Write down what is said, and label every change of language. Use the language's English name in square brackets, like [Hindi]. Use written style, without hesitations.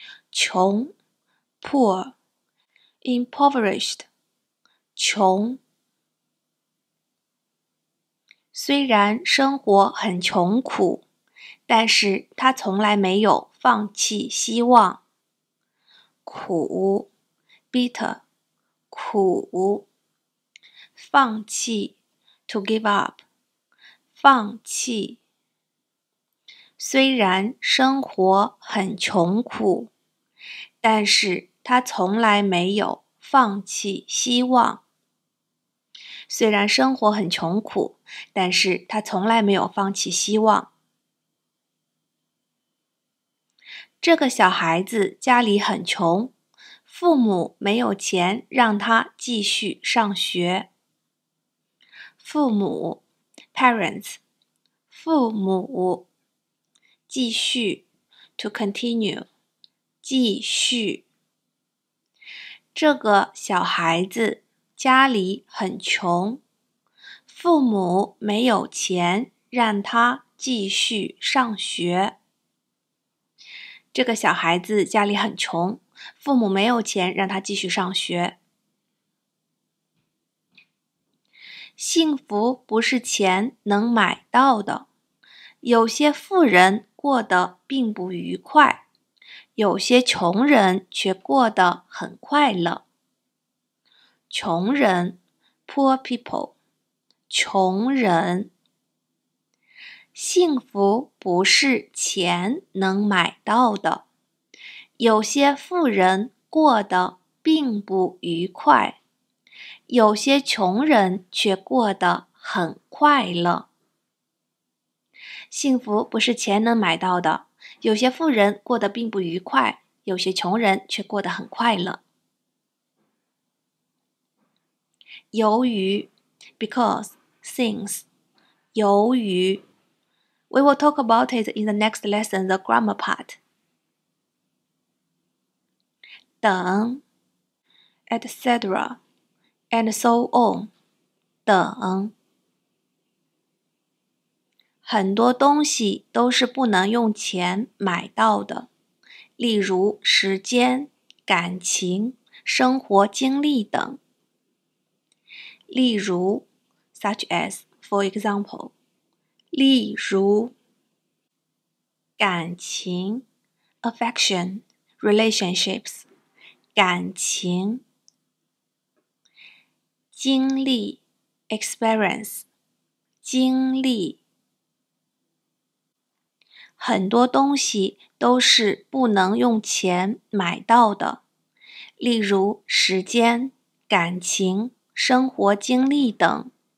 [Chinese] 穷 [English] poor, impoverished, [Chinese] 穷。虽然生活很穷苦，但是他从来没有放弃希望。苦 [English] bitter, [Chinese] 苦。放弃 [English] to give up, [Chinese] 放弃。虽然生活很穷苦，但是他从来没有放弃希望。虽然生活很穷苦，但是他从来没有放弃希望。这个小孩子家里很穷，父母没有钱让他继续上学。父母 [English] parents, [Chinese] 父母。继续 [English] to continue, [Chinese] 继续。这个小孩子家里很穷，父母没有钱让他继续上学。这个小孩子家里很穷，父母没有钱让他继续上学。幸福不是钱能买到的，有些富人过得并不愉快，有些穷人却过得很快乐。穷人 [English] poor people, [Chinese] 穷人。幸福不是钱能买到的，有些富人过得并不愉快，有些穷人却过得很快乐。幸福不是钱能买到的，有些富人过得并不愉快，有些穷人却过得很快乐。由于 [English] because, since, [Chinese] 由于。 [English] We will talk about it in the next lesson, the grammar part. [Chinese] 等 [English] etc, and so on, [Chinese] 等。很多东西都是不能用钱买到的，例如时间、感情、生活经历等。例如 [English] ,such as, for example, [Chinese] 例如感情 [English] ,affection, relationships, [Chinese] 感情经历 , [English] experience, [Chinese] 经历。很多东西都是不能用钱买到的，例如时间、感情、生活经历等。